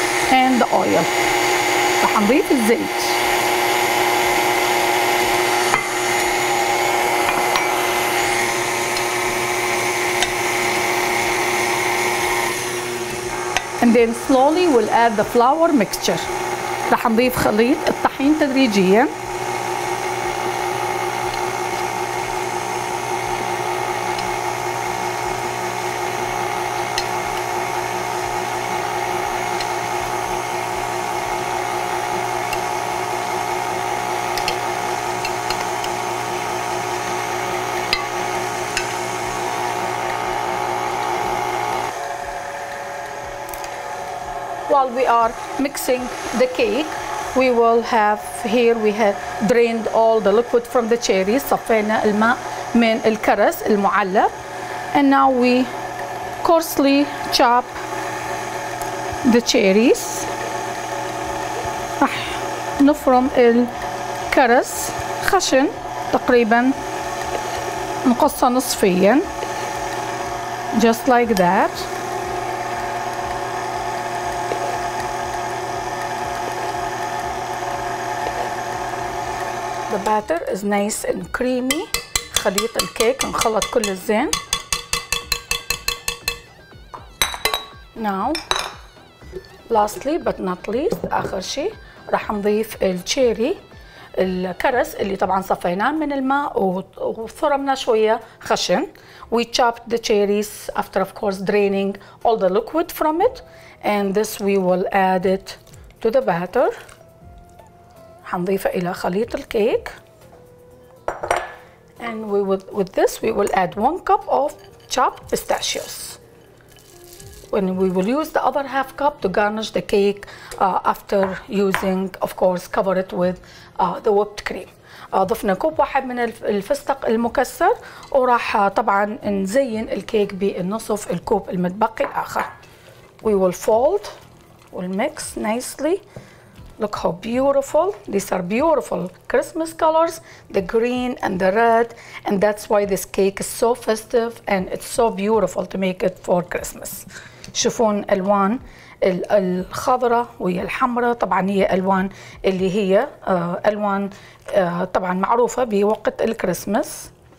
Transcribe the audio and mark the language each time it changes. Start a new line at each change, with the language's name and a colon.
English: And the oil.
Arabic: رح نضيف الزيت.
English: And then slowly we'll add the flour mixture.
Arabic: رح نضيف خليط الطحين تدريجيا.
English: While we are mixing the cake, we will have here, we have drained all the liquid from the cherries.
Arabic: صفينا الماء من الكرز المعلب.
English: And now we coarsely chop the cherries.
Arabic: رح نفرم الكرز خشن تقريبا نقصه نصفيا.
English: Just like that. The batter is nice and creamy.
Arabic: خليط الكيك انخلط كل الزين.
English: Now, lastly but not least,
Arabic: آخر شيء راح نضيف التشيري الكرز اللي طبعا صفيناه من الماء وفرمنا شوية خشن.
English: We chopped the cherries after of course draining all the liquid from it. And this we will add it to the batter.
Arabic: حنضيفه الى خليط الكيك.
English: And we will, with this we will add 1 cup of chopped pistachios. When we will use the other half cup to garnish the cake after using, of course, cover it with the whipped cream.
Arabic: ضفنا كوب واحد من الفستق المكسر وراح طبعا نزين الكيك بالنصف الكوب المتبقي الاخر.
English: We will fold and mix nicely. Look how beautiful. These are beautiful Christmas colors, the green and the red. And that's why this cake is so festive and it's so beautiful to make it for Christmas.
Arabic: شوفون الوان الخضراء ويا الحمراء. طبعا هي الوان اللي هي الوان طبعا معروفة بوقت الكريسماس.